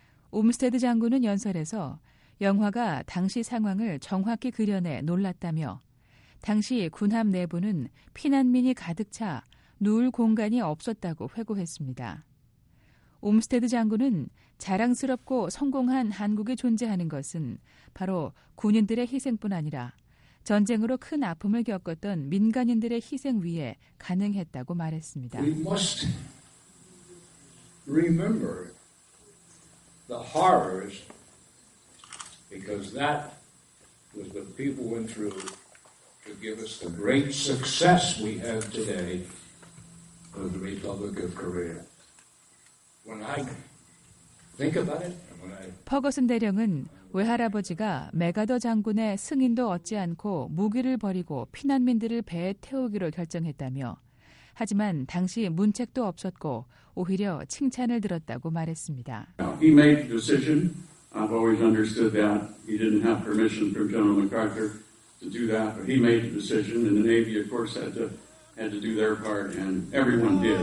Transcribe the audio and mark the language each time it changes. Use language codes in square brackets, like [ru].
[ko] 옴스테드 장군은 연설에서 영화가 당시 상황을 정확히 그려내 놀랐다며 당시 군함 내부는 피난민이 가득 차 누울 공간이 없었다고 회고했습니다. 옴스테드 장군은 자랑스럽고 성공한 한국이 존재하는 것은 바로 군인들의 희생뿐 아니라 전쟁으로 큰 아픔을 겪었던 민간인들의 희생 위에 가능했다고 말했습니다. [en] We must remember the horrors because that was what people went through to give us the great success we have today of the Republic of Korea. When I think about it, when I... [ko] 퍼거슨 대령은 외할아버지가 맥아더 장군의 승인도 얻지 않고 무기를 버리고 피난민들을 배에 태우기로 결정했다며 하지만 당시 문책도 없었고 오히려 칭찬을 들었다고 말했습니다. [en] Now, he made the decision. I've always understood that. He didn't have permission from General MacArthur to do that. But he made the decision and the Navy, of course, had to do their part and everyone did.